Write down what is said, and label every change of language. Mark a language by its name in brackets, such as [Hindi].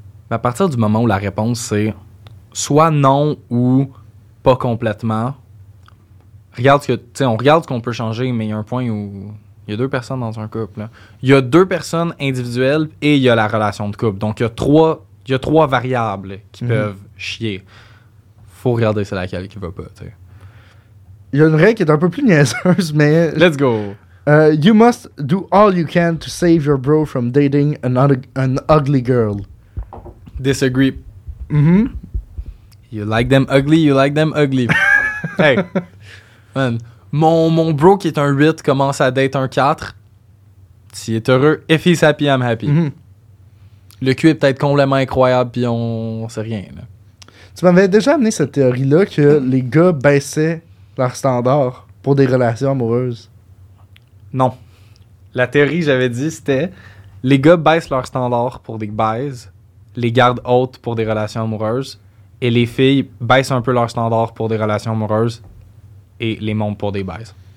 [French] Mais à partir du moment où la réponse, c'est soit non ou pas complètement, on regarde ce qu'on peut changer, mais il y a un point où il y a deux personnes dans un couple. Il y a deux personnes individuelles et il y a la relation de couple. Donc, il y a trois variables qui peuvent chier. Faut regarder c'est laquelle qui va pas, tu sais. Il y a une règle qui est un peu plus niaiseuse, mais... [English] Let's go! You must do all you can to save your bro from dating an ugly girl. Disagree. Mm-hmm. You like them ugly. Hey! [French] Man, mon bro qui est un 8 commence à date un 4. S'il est heureux, [English] if he's happy, I'm happy. Mm-hmm. [French] Le cul est peut-être complètement incroyable, puis on sait rien, là. Tu m'avais déjà amené cette théorie-là que les gars baissaient leur standard pour des relations amoureuses. Non. La théorie, j'avais dit, c'était les gars baissent leur standard pour des baises, les gardent hautes pour des relations amoureuses, et les filles baissent un peu leur standard pour des relations amoureuses et les montent pour des baises.